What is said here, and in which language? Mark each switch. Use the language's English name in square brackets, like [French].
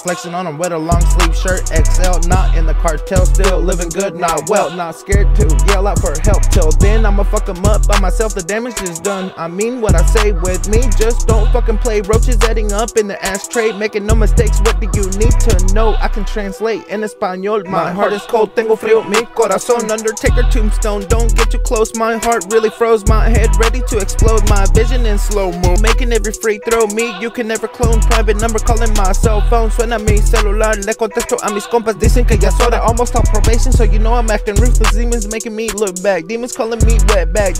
[English] Flexing on them with a long sleeve shirt. XL, not in the cartel, still living good, not well. Not scared to yell out for help. Till then, I'ma fuck them up by myself. The damage is done, I mean what I say with me. Just don't fucking play. Roaches adding up in the ashtray, making no mistakes. What do you need to know? I can translate in Espanol. My heart is cold, [Spanish] tengo frío, mi corazón. [English] Undertaker tombstone, don't get too close. My heart really froze, my head ready to explode. My vision in slow-mo, making every free throw. Me, you can never clone. Private number calling my cell phone. [Spanish] Suena mi celular, le contesto a mis compas. Dicen que ya es hora, [English] almost off probation. So you know I'm acting ruthless. Demons making me look back, demons calling me wet back.